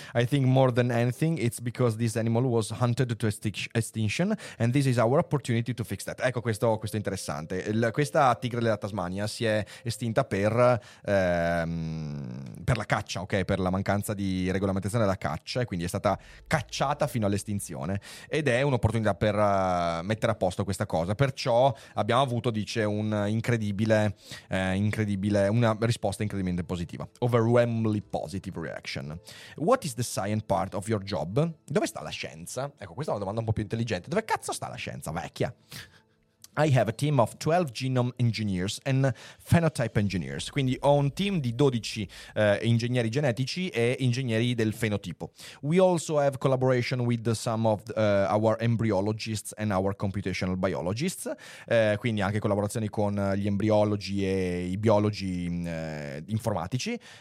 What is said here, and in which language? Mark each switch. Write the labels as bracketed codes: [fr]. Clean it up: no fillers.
[en] I think more than anything it's because this animal was hunted to extinction and this is our opportunity to fix that. [it] Ecco, questo è interessante. Questa tigre della Tasmania si è estinta per la caccia, ok? Per la mancanza di regolamentazione della caccia, e quindi è stata cacciata fino all'estinzione ed è un'opportunità per mettere a posto questa cosa. Perciò abbiamo avuto, dice, un incredibile una risposta incredibilmente positiva. [en] Overwhelmingly positive reaction. What is the science part of your job? [it] Dove sta la scienza? Ecco, questa è una domanda un po' più intelligente. Dove cazzo sta la scienza, vecchia? [en] I have a team of 12 genome engineers and phenotype engineers. [it] Quindi ho un team di 12 ingegneri genetici e ingegneri del fenotipo. [en] We also have collaboration with some of our embryologists and our computational biologists. [it] Quindi anche collaborazioni con gli embriologi e i biologi informatici.